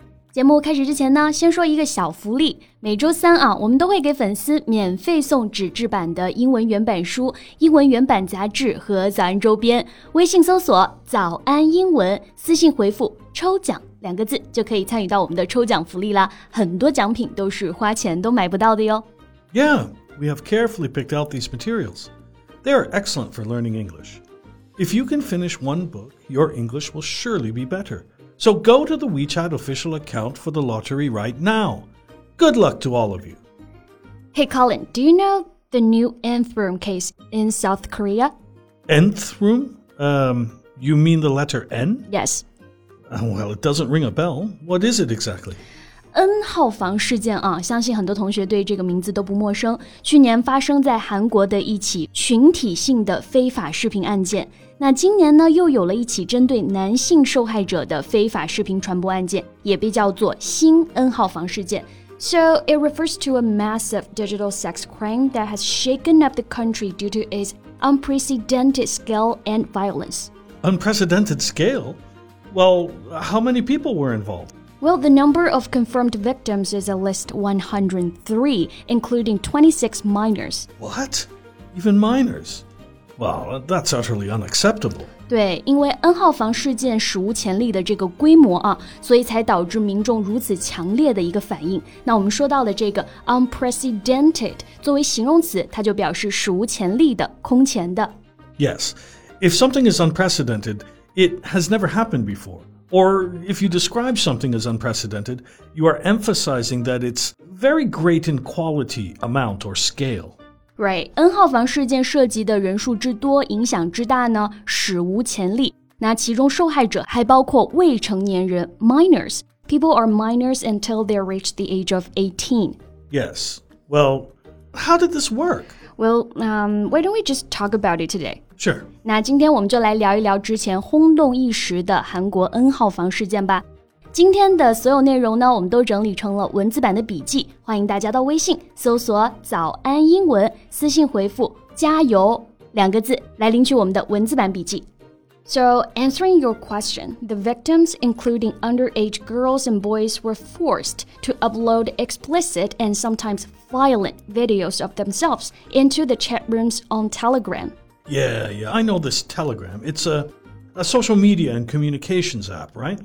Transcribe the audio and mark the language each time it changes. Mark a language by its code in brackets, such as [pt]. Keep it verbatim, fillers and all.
[zh] 节目开始之前呢，先说一个小福利。每周三啊，我们都会给粉丝免费送纸质版的英文原版书、英文原版杂志和早安周边。微信搜索“早安英文”，私信回复“抽奖”两个字，就可以参与到我们的抽奖福利啦。很多奖品都是花钱都买不到的哟。 [en] Yeah. We have carefully picked out these materials. They are excellent for learning English. If you can finish one book, your English will surely be better. So go to the WeChat official account for the lottery right now. Good luck to all of you. Hey, Colin, do you know the new nth room case in South Korea? Nth room? Um, you mean the letter N? Yes. Uh, well, it doesn't ring a bell. What is it exactly? [zh] N 号房事件啊，相信很多同学对这个名字都不陌生。去年发生在韩国的一起群体性的非法视频案件，那今年呢又有了一起针对男性受害者的非法视频传播案件，也被叫做新 N 号房事件。 [en] So it refers to a massive digital sex crime that has shaken up the country due to its unprecedented scale and violence. Unprecedented scale? Well, how many people were involved? Well, the number of confirmed victims is at least one hundred three, including twenty-six minors. What? Even minors? Wow, that's utterly unacceptable. [zh] 对，因为 N 号房事件史无前例的这个规模啊，所以才导致民众如此强烈的一个反应。那我们说到的这个 unprecedented 作为形容词，它就表示史无前例的、空前的。 [en] Yes, if something is unprecedented, it has never happened before. Or if you describe something as unprecedented, you are emphasizing that it's very great in quality, amount, or scale. Right. [zh] N 号房事件涉及的人数之多，影响之大呢，史无前例。那其中受害者还包括未成年人 minors. [en] People are minors until they reach the age of eighteen. Yes. Well, how did this work? Well, um, why don't we just talk about it today? Sure. [zh] 那今天我们就来聊一聊之前轰动一时的韩国 N 号房事件吧。今天的所有内容呢，我们都整理成了文字版的笔记，欢迎大家到微信搜索“早安英文”，私信回复“加油”两个字来领取我们的文字版笔记。 [en] So, answering your question, the victims, including underage girls and boys, were forced to upload explicit and sometimes violent videos of themselves into the chat rooms on Telegram. Yeah, yeah, I know this Telegram. It's a, a social media and communications app, right?